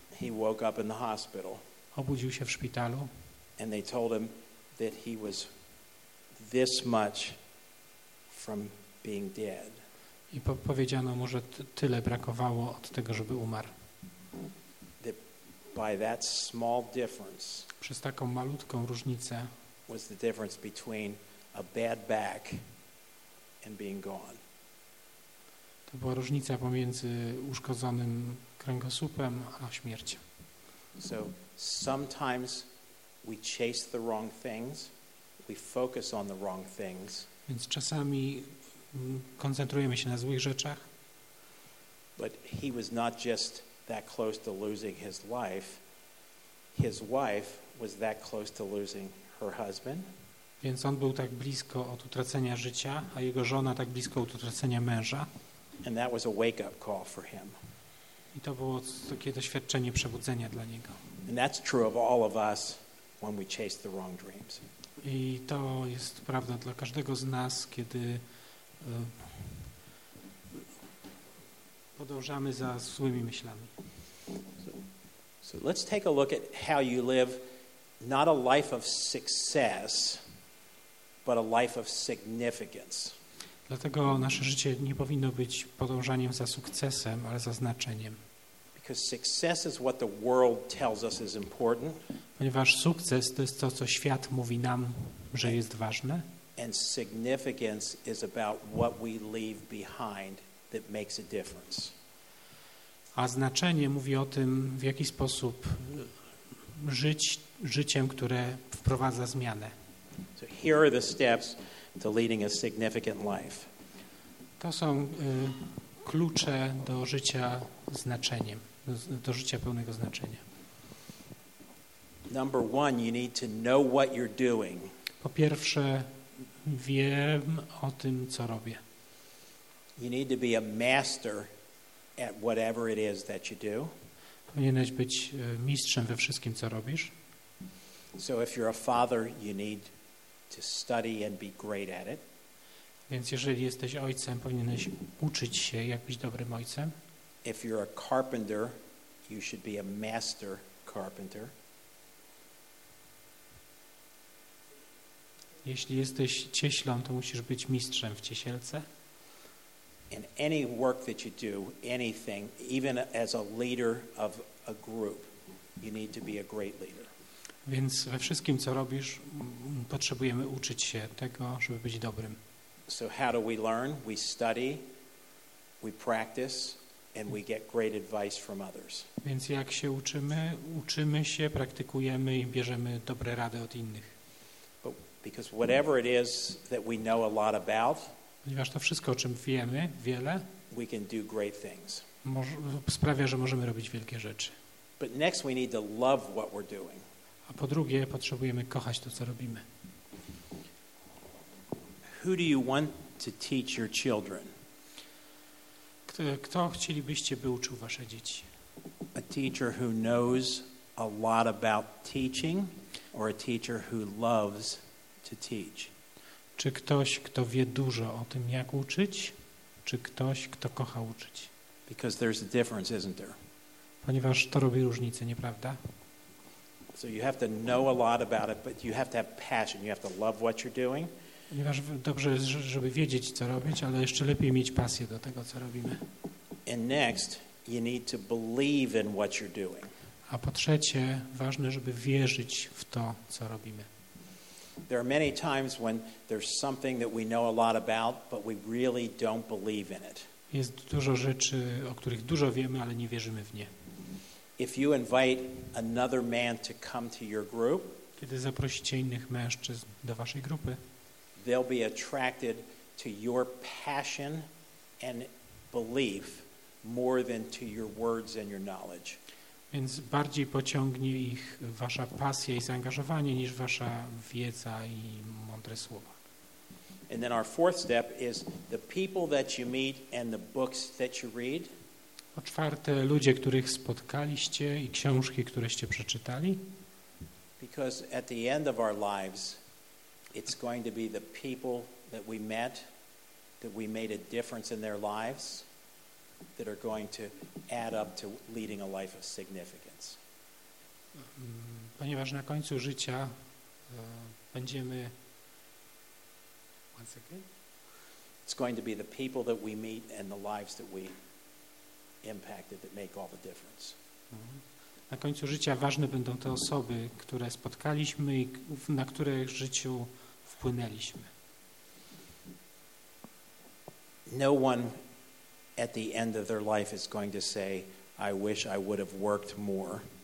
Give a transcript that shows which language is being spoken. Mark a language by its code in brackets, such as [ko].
[en] he woke up in the hospital. [pl] Obudził się w szpitalu. [en] And they told him that he was this much from being dead. [pl] I powiedziano mu, że tyle brakowało od tego, żeby umarł. [en] That by that small difference, [pl] przez taką malutką różnicę, [en] was the difference between a bad back and being gone. [pl] To była różnica pomiędzy uszkodzonym kręgosłupem a śmiercią. [en] So sometimes we chase the wrong things, we focus on the wrong things. [pl] Więc czasami koncentrujemy się na złych rzeczach. [en] But he was not just that close to losing his life. His wife was that close to losing her husband. [pl] Więc on był tak blisko od utracenia życia, a jego żona tak blisko od utracenia męża. [en] And that was a wake-up call for him. [pl] I to było takie doświadczenie przebudzenia dla niego. [en] And that's true of all of us when we chase the wrong dreams. [pl] I to jest prawda dla każdego z nas, kiedy podążamy za złymi myślami. [en] So let's take a look at how you live not a life of success, but a life of significance. [pl] Dlatego nasze życie nie powinno być podążaniem za sukcesem, ale za znaczeniem. [en] Because success is what the world tells us is important. [pl] Ponieważ sukces to jest to, co świat mówi nam, że jest ważne. [en] And significance is about what we leave behind that makes a difference. [pl] A znaczenie mówi o tym, w jaki sposób żyć życiem, które wprowadza zmianę. [en] So here are the steps to leading a significant life. [pl] To są klucze do życia znaczeniem, do życia pełnego znaczenia. [en] Number one, you need to know what you're doing. [pl] Po pierwsze, wiem o tym, co robię. [en] You need to be a master at whatever it is that you do. [pl] Powinieneś być mistrzem we wszystkim, co robisz. [en] So if you're a father, you need to study and be great at it. [pl] Więc jeżeli jesteś ojcem, powinieneś uczyć się, jak być dobrym ojcem. [en] If you're a carpenter, you should be a master carpenter. [pl] Jeśli jesteś cieślą, to musisz być mistrzem w cieślce. [en] In any work that you do, anything, even as a leader of a group, you need to be a great leader. [pl] Więc we wszystkim, co robisz, potrzebujemy uczyć się tego, żeby być dobrym. [en] So how do we learn? We study, we practice, and we get great advice from others. [pl] Więc jak się uczymy? Uczymy się, praktykujemy i bierzemy dobre rady od innych. [en] Because whatever it is that we know a lot about, [pl] ponieważ to wszystko, o czym wiemy, wiele, [en] we can do great things. [pl] Sprawia, że możemy robić wielkie rzeczy. [en] But next we need to love what we're doing. [pl] A po drugie, potrzebujemy kochać to, co robimy. [en] Who do you want to teach your children? [pl] Kto chcielibyście, by uczył wasze dzieci? [en] A teacher who knows a lot about teaching, or a teacher who loves to teach? [pl] Czy ktoś, kto wie dużo o tym, jak uczyć, czy ktoś, kto kocha uczyć? [en] Because there's a difference, isn't there? [pl] Ponieważ to robi różnicę, nieprawda? [en] So you have to know a lot about it, but you have to have passion. You have to love what you're doing. [pl] Ponieważ dobrze jest, żeby wiedzieć, co robić, ale jeszcze lepiej mieć pasję do tego, co robimy. [en] And next, you need to believe in what you're doing. [pl] A po trzecie, ważne, żeby wierzyć w to, co robimy. [en] There are many times when there's something that we know a lot about, but we really don't believe in it. [pl] Jest dużo rzeczy, o których dużo wiemy, ale nie wierzymy w nie. [en] If you invite another man to come to your group, [pl] kiedy zaprosicie innych mężczyzn do waszej grupy, [en] they'll be attracted to your passion and belief more than to your words and your knowledge. [pl] Więc bardziej pociągnie ich wasza pasja i zaangażowanie niż wasza wiedza i mądre słowa. [en] And then our fourth step is the people that you meet and the books that you read. [pl] Po czwarte, ludzie, których spotkaliście i książki, któreście przeczytali. [en] Because at the end of our lives, it's going to be the people that we met, that we made a difference in their lives, that are going to add up to leading a life of significance. [pl] Ponieważ na końcu życia będziemy... [en] One second. It's going to be the people that we meet and the lives that we impacted that make all the difference. [pl] Na końcu życia ważne będą te osoby, które spotkaliśmy i na które w życiu wpłynęliśmy. [en] No one at the end of their life is going to say, I wish I would have worked more.